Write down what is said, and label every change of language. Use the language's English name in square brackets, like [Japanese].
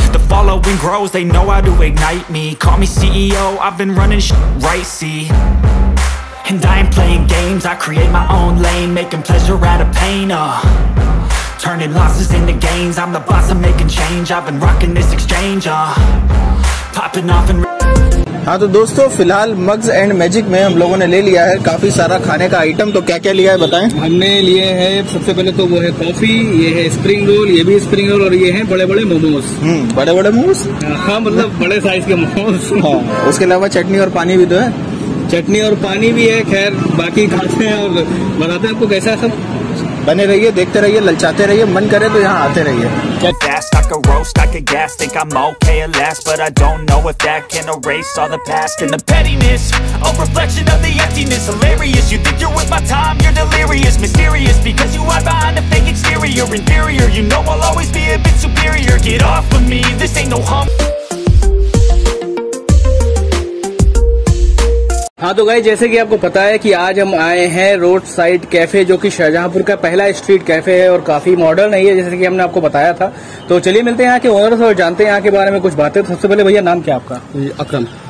[English] The following grows, they know how to ignite me. Call me CEO, I've been running sh** right, see. And I ain't playing games, I create my own lane. Making pleasure out of pain, Turning losses into gains. I'm the boss, I'm making change. I've been rocking this exchange, Popping off and... [Hindi] हाँ तो दोस्तों, फिलहाल mugs and magic में हम लोगों ने ले लिया है काफी सारा खाने का आइटम, तो क्या क्या लिया है बताएं। हमने लिए है सबसे पहले तो वो है कॉफी, ये है स्प्रिंग रोल, ये भी स्प्रिंग रोल, और ये है बड़े बड़े मोमोज। बड़े बड़े मोमोज, हाँ मतलब बड़े साइज के मोमोज। हाँ, उसके अलावा चटनी और पानी भी तो है। चटनी और पानी भी है, खैर बाकी खाते हैं और बताते हैं आपको कैसा है सब। बने रहिए, देखते रहिए, ललचाते रहिए, मन करे तो यहाँ आते रहिए। [English] I could roast, I could gas, think I'm okay at last. But I don't know if that can erase all the past. And the pettiness, a reflection of the emptiness. Hilarious, you think you're worth my time, you're delirious. Mysterious, because you hide behind a fake exterior. Inferior, you know I'll always be a bit superior. Get off of me, this ain't no hump. [Hindi] हाँ तो guys, जैसे कि आपको पता है कि आज हम आए हैं रोड साइड कैफे, जो कि शाहजहांपुर का पहला स्ट्रीट कैफे है और काफी मॉडर्न है, जैसे कि हमने आपको बताया था। तो चलिए मिलते हैं यहाँ के ओनर और जानते हैं यहाँ के बारे में कुछ बातें। तो सबसे पहले भैया, नाम क्या आपका? अकरम।